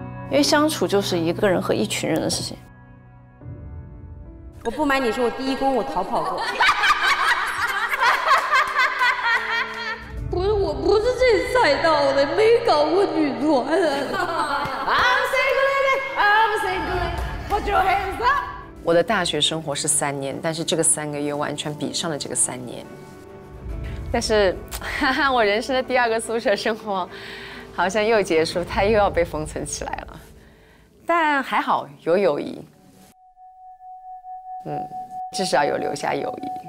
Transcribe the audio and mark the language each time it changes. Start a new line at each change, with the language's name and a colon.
Chinese: 因为相处就是一个人和一群人的事情。我不瞒你说，我第一宫我逃跑过。不是，我不是这赛道的，没搞过女团啊。
English: I'm single lady, I'm single lady, put your hands up。
Chinese: 我的大学生活是三年，但是这个三个月完全比上了这个三年。但是，我人生的第二个宿舍生活，好像又结束，它又要被封存起来了。但还好有友谊，嗯，至少有留下友谊。